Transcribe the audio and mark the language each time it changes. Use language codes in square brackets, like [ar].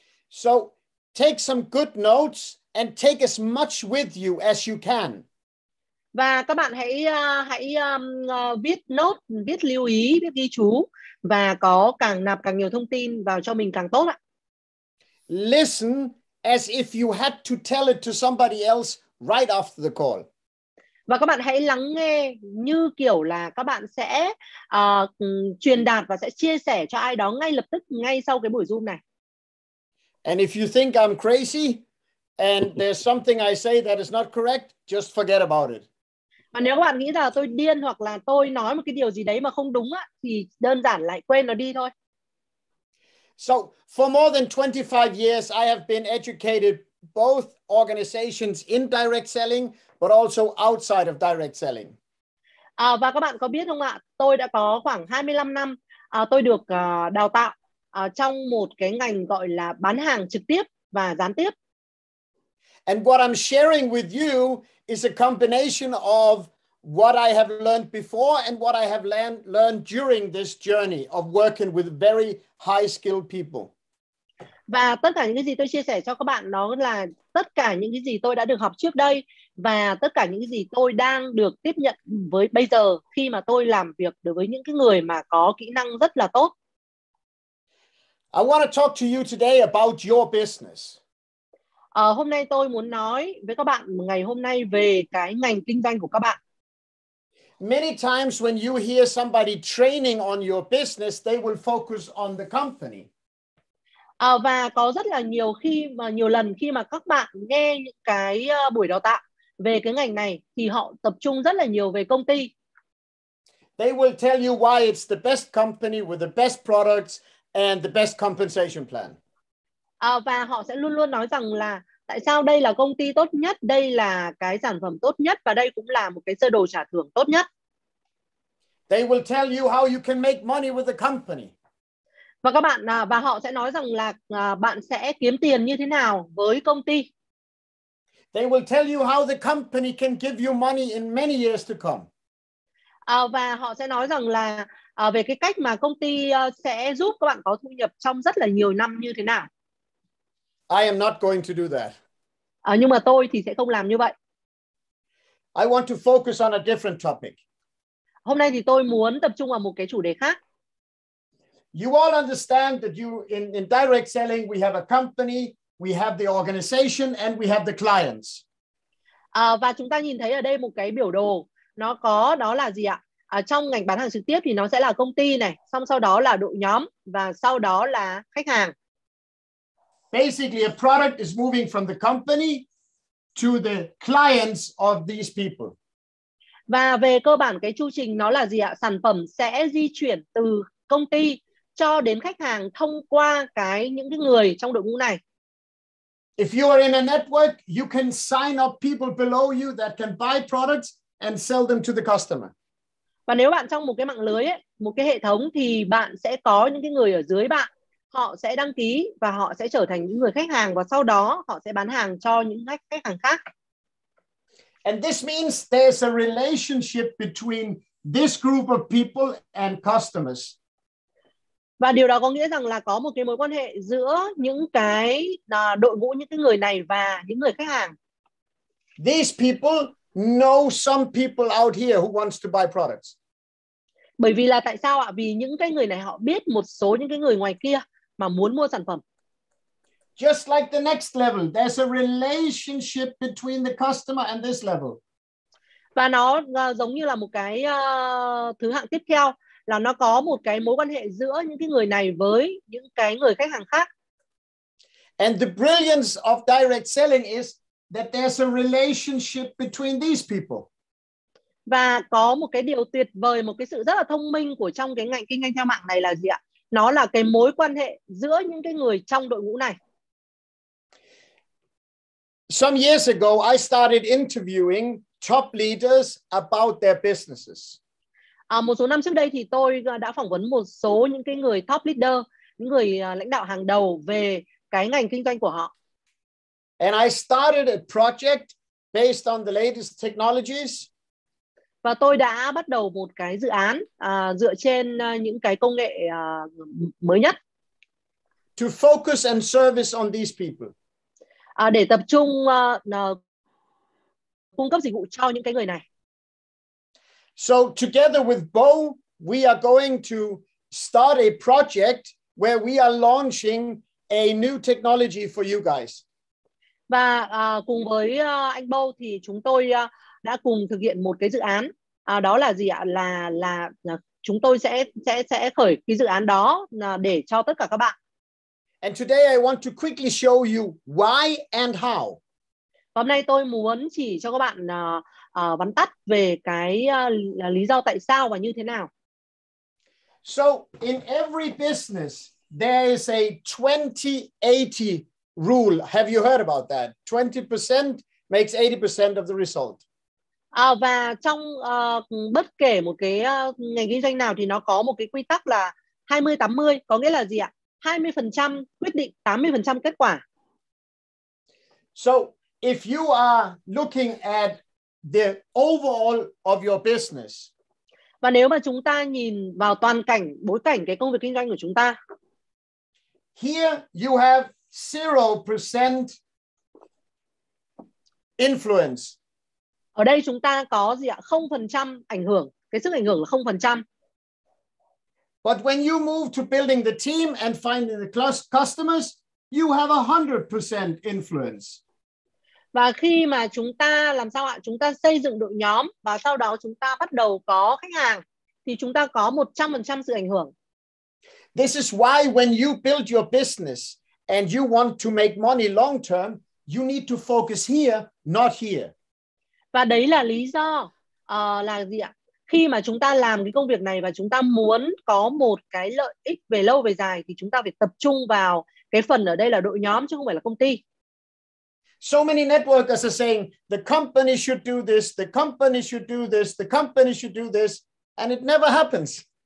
[en] So take some good notes and take as much with you as you can. [vi] Và các bạn hãy viết note, viết lưu ý, viết ghi chú, và có càng nạp càng nhiều thông tin vào cho mình càng tốt ạ. [en] Listen as if you had to tell it to somebody else right after the call. [vi] Và các bạn hãy lắng nghe như kiểu là các bạn sẽ truyền đạt và sẽ chia sẻ cho ai đó ngay lập tức, ngay sau cái buổi Zoom này. [en] And if you think I'm crazy, And there's something I say that is not correct, just forget about it. [vi] Mà nếu bạn nghĩ là tôi điên hoặc là tôi nói một cái điều gì đấy mà không đúng á, thì đơn giản lại quên nó đi thôi. [en] So for more than 25 years, I have been educated both organizations in direct selling, but also outside of direct selling. [vi] Và các bạn có biết không ạ, tôi đã có khoảng 25 năm tôi được đào tạo trong một cái ngành gọi là bán hàng trực tiếp và gián tiếp. [en] And what I'm sharing with you is a combination of what I have learned before and what I have learned during this journey of working with very high skilled people. [vi] Và tất cả những cái gì tôi chia sẻ cho các bạn đó là tất cả những cái gì tôi đã được học trước đây và tất cả những cái gì tôi đang được tiếp nhận với bây giờ khi mà tôi làm việc đối với những cái người mà có kỹ năng rất là tốt. [en] I want to talk to you today about your business. [vi] Hôm nay tôi muốn nói với các bạn ngày hôm nay về cái ngành kinh doanh của các bạn. [en] Many times when you hear somebody training on your business, they will focus on the company. [vi] Và có rất là nhiều lần khi mà các bạn nghe những cái buổi đào tạo về cái ngành này thì họ tập trung rất là nhiều về công ty. [en] They will tell you why it's the best company with the best products and the best compensation plan. [vi] Và họ sẽ luôn luôn nói rằng là tại sao đây là công ty tốt nhất, đây là cái sản phẩm tốt nhất và đây cũng là một cái sơ đồ trả thưởng tốt nhất. [en] They will tell you how you can make money with the company. [vi] Và các bạn và họ sẽ nói rằng là bạn sẽ kiếm tiền như thế nào với công ty. [en] They will tell you how the company can give you money in many years to come. [vi] Và họ sẽ nói rằng là về cái cách mà công ty sẽ giúp các bạn có thu nhập trong rất là nhiều năm như thế nào. [en] I am not going to do that. [vi] Nhưng mà tôi thì sẽ không làm như vậy. [en] I want to focus on a different topic. [vi] Hôm nay thì tôi muốn tập trung vào một cái chủ đề khác. [en] You all understand that you in direct selling we have a company, we have the organization and we have the clients. [vi] Và chúng ta nhìn thấy ở đây một cái biểu đồ, nó có đó là gì ạ? Trong ngành bán hàng trực tiếp thì nó sẽ là công ty này, xong sau đó là đội nhóm và sau đó là khách hàng. [en] Basically, a product is moving from the company to the clients of these people. [vi] Và về cơ bản cái chu trình nó là gì ạ? Sản phẩm sẽ di chuyển từ công ty cho đến khách hàng thông qua cái những cái người trong đội ngũ này. [en] If you are in a network, you can sign up people below you that can buy products and sell them to the customer. [vi] Và nếu bạn trong một cái mạng lưới ấy, một cái hệ thống thì bạn sẽ có những cái người ở dưới bạn. Họ sẽ đăng ký và họ sẽ trở thành những người khách hàng và sau đó họ sẽ bán hàng cho những khách hàng khác. [en] And this means there's a relationship between this group of people and customers. [vi] Và điều đó có nghĩa rằng là có một cái mối quan hệ giữa những cái đội ngũ những cái người này và những người khách hàng. [en] These people know some people out here who wants to buy products. [vi] Bởi vì là tại sao ạ? Vì những cái người này họ biết một số những cái người ngoài kia mà muốn mua sản phẩm. [en] Just like the next level, there's a relationship between the customer and this level. [vi] Và nó giống như là một cái thứ hạng tiếp theo là nó có một cái mối quan hệ giữa những cái người này với những cái người khách hàng khác. [en] And the brilliance of direct selling is that there's a relationship between these people. [vi] Và có một cái điều tuyệt vời, một cái sự rất là thông minh của trong cái ngành kinh doanh theo mạng này là gì ạ? Nó là cái mối quan hệ giữa những cái người trong đội ngũ này. [en] Some years ago, I started interviewing top leaders about their businesses. [vi] Một số năm trước đây thì tôi đã phỏng vấn một số những cái người top leader, những người lãnh đạo hàng đầu về cái ngành kinh doanh của họ. [en] And I started a project based on the latest technologies. [vi] Và tôi đã bắt đầu một cái dự án dựa trên những cái công nghệ mới nhất. [en] To focus and service on these people. [vi] Để tập trung cung cấp dịch vụ cho những cái người này. [en] So together with Bo, we are going to start a project where we are launching a new technology for you guys. [vi] Và cùng với anh Bo thì chúng tôi đã cùng thực hiện một cái dự án. Đó là gì ạ? Là chúng tôi sẽ khởi cái dự án đó để cho tất cả các bạn. [en] And today I want to quickly show you why and how. [vi] Hôm nay tôi muốn chỉ cho các bạn vắn tắt về cái lý do tại sao và như thế nào. [en] So in every business there is a 20-80 rule. Have you heard about that? 20% makes 80% of the result. [vi] Và trong bất kể một cái ngành kinh doanh nào thì nó có một cái quy tắc là 20-80, có nghĩa là gì ạ? 20% quyết định 80% kết quả. [en] So if you are looking at the overall of your business. [vi] Và nếu mà chúng ta nhìn vào toàn cảnh, bối cảnh cái công việc kinh doanh của chúng ta. [en] Here you have 0% influence. [vi] Ở đây chúng ta có gì ạ? 0% ảnh hưởng. Cái sức ảnh hưởng là 0%. [en] But when you move to building the team and finding the customers, you have 100% influence. [vi] Và khi mà chúng ta làm sao ạ? Chúng ta xây dựng đội nhóm và sau đó chúng ta bắt đầu có khách hàng thì chúng ta có 100% sự ảnh hưởng. [en] This is why when you build your business and you want to make money long term, you need to focus here, not here. [vi] Và đấy là lý do là gì ạ? Khi mà chúng ta làm cái công việc này và chúng ta muốn có một cái lợi ích về lâu về dài thì chúng ta phải tập trung vào cái phần ở đây là đội nhóm chứ không phải là công ty. [en] So many networkers are saying the company should do this, the company should do this, the company should do this, and it never happens.